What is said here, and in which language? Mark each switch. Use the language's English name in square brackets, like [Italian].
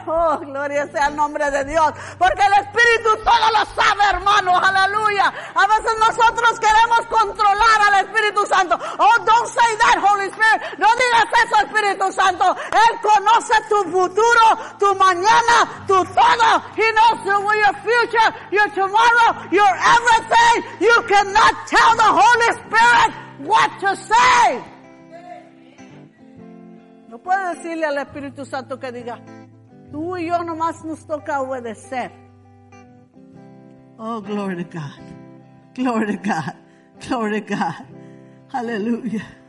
[Spanish] Oh, gloria sea el nombre de Dios. Porque el Espíritu todo lo sabe, hermano. Aleluya. A veces nosotros queremos controlar al Espíritu Santo. [English] Oh, don't say that, Holy Spirit. [Spanish] No digas eso, Espíritu Santo. Él conoce tu futuro, tu mañana, tu todo. [English] He knows your future, your tomorrow, your everything. You cannot tell the Holy Spirit what to say. [Spanish] No puede decirle al Espíritu Santo que diga, tú y yo nomás nos toca obedecer. [English] Oh, glory to God. Glory to God. Glory to God. Aleluya.